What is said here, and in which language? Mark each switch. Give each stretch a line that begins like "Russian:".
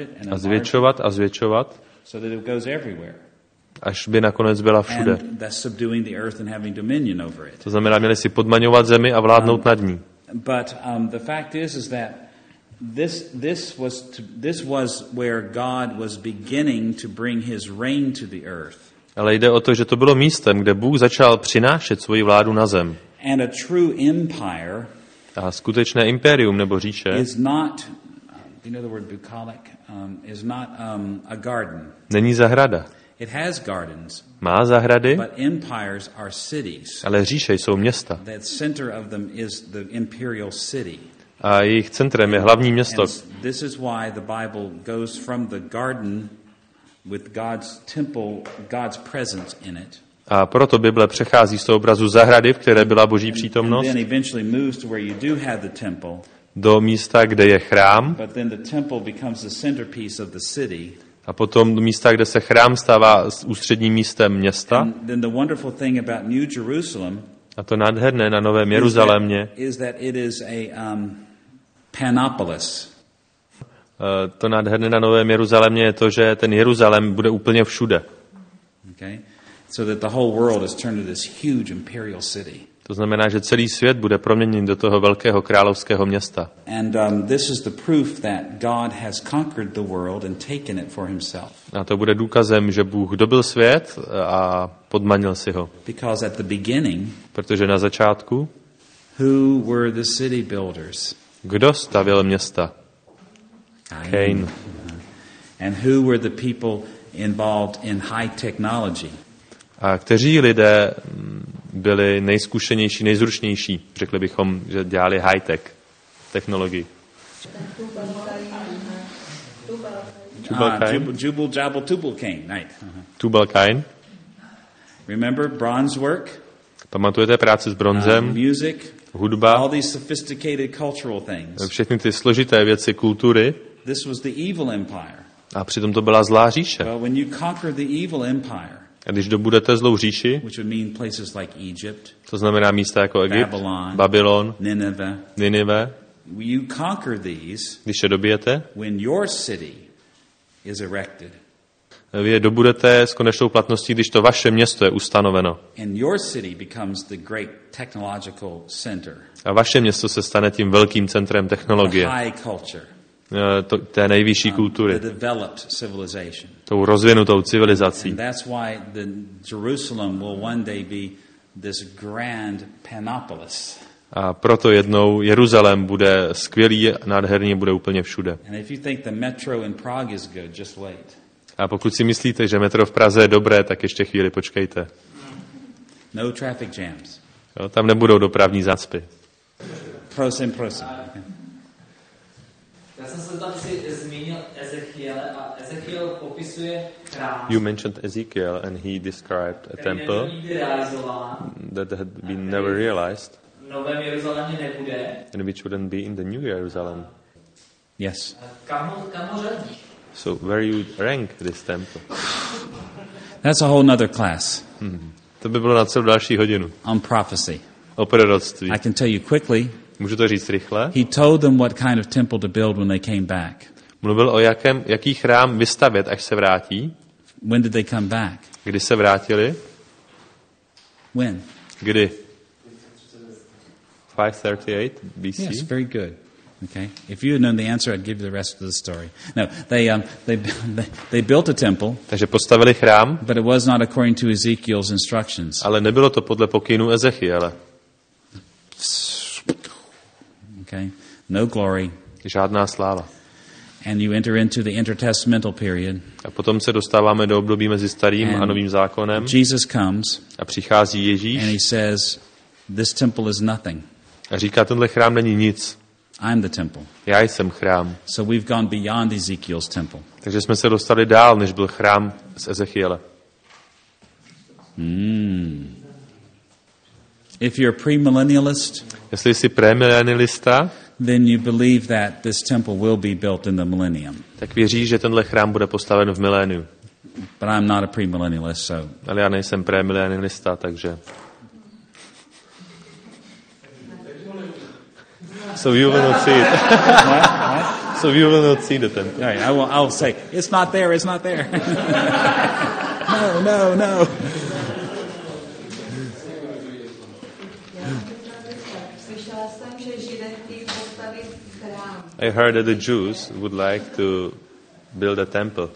Czech: A zvětšovat a zvětšovat,
English: so that it goes everywhere,
Czech: až by nakonec byla všude.
English: And that's subduing the earth and having dominion over it.
Czech: To znamená, měli si podmaňovat zemi a vládnout nad ní.
English: But the fact is that This was where God was beginning to bring his reign to the earth.
Czech: Ale jde o to, že to bylo místem, kde Bůh začal přinášet svoji vládu na zem.
English: And a true empire,
Czech: a skutečné impérium nebo říše,
English: is not, you know the word bucolic, is not a garden.
Czech: Není zahrada.
English: It has gardens.
Czech: Má zahrady.
English: But empires are cities.
Czech: Ale říše jsou města.
English: The center of them is the imperial city.
Czech: A jejich centrem je hlavní město.
English: And this is why the Bible goes from the garden with God's temple, God's presence in it.
Czech: A proto Bible přechází z toho obrazu zahrady, v které byla Boží přítomnost.
English: And then eventually moves to where you do have the temple.
Czech: Do místa, kde je chrám.
English: But then the temple becomes the centerpiece of the city.
Czech: A potom do místa, kde se chrám stává ústředním místem města.
English: And then the wonderful thing about New Jerusalem.
Czech: A to nádherné na Novém Jeruzalémě.
English: Is that it is a panopolis.
Czech: To nádherné na Novém Jeruzalémě je to, že ten Jeruzalém bude úplně všude.
English: Okay. So that the whole world is turned into this huge imperial city.
Czech: To znamená, že celý svět bude proměněn do toho velkého královského města.
English: And this is the proof that God has conquered the world and taken it for himself.
Czech: A to bude důkazem, že Bůh dobil svět a podmanil si ho.
English: Because at the beginning,
Czech: protože na začátku,
English: who were the city builders?
Czech: Kdo stavěl města? Cain.
English: And who were the people involved in high technology?
Czech: A kteří lidé byli nejzkušenější, nejzručnější, řekli bychom, že dělali high-tech technologii.
English: Tubal-Cain.
Czech: Tubal-Cain.
English: Remember bronze work?
Czech: Pamatujete práci s bronzem?
English: Music,
Czech: hudba.
English: All these sophisticated cultural things.
Czech: Všechny ty složité věci kultury.
English: This was the evil empire.
Czech: A přitom to byla zlá říše.
English: But when you conquer the evil empire,
Czech: a když dobudete zlou říši,
English: which would mean places like Egypt,
Czech: to znamená místa jako Egypt,
English: Babylon,
Czech: Babylon,
English: Nineveh, you conquer these,
Czech: když je dobijete,
English: when your city is erected,
Czech: vy je dobudete s konečnou platností, když to vaše město je ustanoveno.
English: And your city becomes the great technological center.
Czech: A vaše město se stane tím velkým centrem technologie.
English: The high culture.
Czech: To, té nejvyšší kultury.
English: The developed civilization.
Czech: Tou rozvinutou civilizací.
English: And that's why the Jerusalem will one day be this grand panopolis.
Czech: A proto jednou Jeruzalém bude skvělý, nádherný, bude úplně všude.
English: And if you think the metro in Prague is good, just wait.
Czech: A pokud si myslíte, že metro v Praze je dobré, tak ještě chvíli počkejte.
English: No traffic jams.
Czech: Jo, tam nebudou dopravní zácpy. Prosím, prosím. Já jsem se tam si zmínil Ezechiele a Ezechiel popisuje chrám.
English: You mentioned Ezechiel and he described a temple that had been never realized.
Czech: Novém Jeruzalémě nebude.
English: And which wouldn't be in the New Jerusalem. Yes.
Czech: Kam ho řadíš?
English: So where you rank this temple? That's a whole another class.
Czech: To by bylo na celou další hodinu.
English: On prophecy.
Czech: O proroctví.
English: I can tell you quickly.
Czech: Můžu to říct rychle?
English: He told them what kind of temple to build when they came back.
Czech: Mluvil o jakém, jaký chrám vystavět, až se vrátí.
English: When did they come back?
Czech: Kdy se vrátili?
English: When?
Czech: Kdy? 538 BC.
English: Yes, very good. Okay. If you had known the answer, I'd give you the rest of the story. No, they built a temple.
Czech: Takže postavili chrám.
English: But it was not according to Ezekiel's instructions.
Czech: Ale nebylo to podle pokynů Ezechiele.
English: Okay. No glory.
Czech: Žádná sláva.
English: And you enter into the intertestamental period.
Czech: A potom se dostáváme do období mezi starým a novým zákonem.
English: Jesus comes.
Czech: A přichází Ježíš.
English: And he says, "This temple is nothing."
Czech: A říká, tenhle chrám není nic.
English: I'm the temple.
Czech: Já jsem chrám.
English: So we've gone beyond Ezekiel's temple.
Czech: Takže jsme se dostali dál, než byl chrám z Ezechiele.
English: If you're a premillennialist,
Czech: jestli jsi premillennialista,
English: then you believe that this temple will be built in the millennium.
Czech: Tak věříš, že tenhle chrám bude postaven v miléniu.
English: But I'm not a premillennialist, so.
Czech: Ale já nejsem premillennialista, takže.
English: So you will not see it. What? So you will not see the temple. All right, I'll say it's not there. It's not there. No.
Czech: Slyšela jsem, že Židé chtějí postavit
English: I heard that the Jews would like to build a temple.